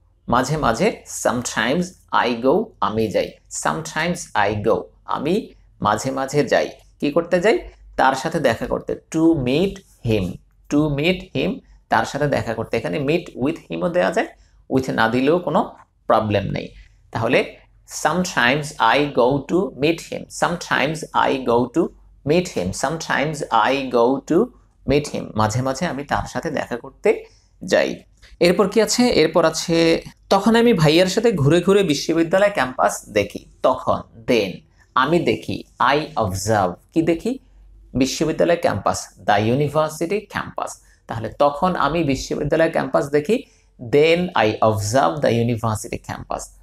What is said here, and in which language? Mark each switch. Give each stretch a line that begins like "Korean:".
Bangla: মাঝে মাঝে
English: sometimes I go,
Bangla: আমি যাই.
English: sometimes I go,
Bangla: আমি মাঝে মাঝে যাই. কি করতে যাই? তার সাথে দেখা করতে.
English: to meet him, to meet him,
Bangla: তার সাথে দেখা করতে. এখানে মিট উইথ হিমও দেওয়া যায়, উইথ না দিলেও কোনো প্রবলেম নেই.
English: তাহলে sometimes I go to meet him, sometimes I go to meet him, sometimes I go to meet him.
Bangla: মাঝে মাঝে আমি তার সাথে দেখা করতে যাই. এরপর কি আছে? এরপর আছে তখন আমি ভাইয়ার সাথে ঘুরে ঘুরে বিশ্ববিদ্যালয় ক্যাম্পাস দেখি. তখন দেন আমি দেখি,
English: I observe,
Bangla: কি দেখি? বিশ্ববিদ্যালয় ক্যাম্পাস,
English: The university campus.
Bangla: তাহলে তখন আমি বিশ্ববিদ্যালয় ক্যাম্পাস দেখি,
English: Then I observe the university campus.